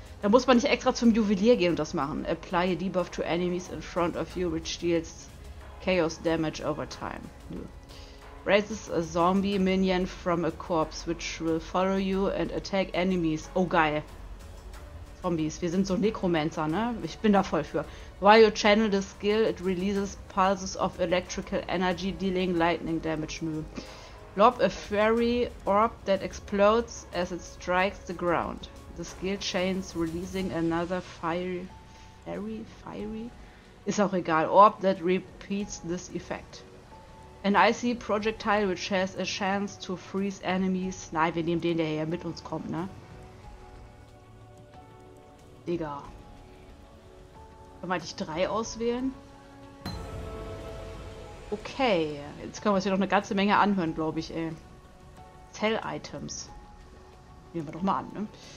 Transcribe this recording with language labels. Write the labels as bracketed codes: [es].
[de] Da muss man nicht extra zum Juwelier gehen und das machen. [en] Apply a debuff to enemies in front of you, which deals Chaos Damage over time. [de] Nö. [en] Raises a zombie minion from a corpse, which will follow you and attack enemies. [de] Oh geil. Zombies, wir sind so Necromancer, ne? Ich bin da voll für. [en] While you channel the skill, it releases pulses of electrical energy, dealing lightning damage. [de] Nö. [en] Lob a fairy orb that explodes as it strikes the ground. The skill chains releasing another fiery? [de] Ist auch egal. [en] Orb that repeats this effect. An icy projectile which has a chance to freeze enemies. [de] Nein, wir nehmen den, der hier mit uns kommt, ne? Digga. Können wir dich drei auswählen? Okay. Jetzt können wir uns hier noch eine ganze Menge anhören, glaube ich, ey. Cell Items. Nehmen wir doch mal an, ne?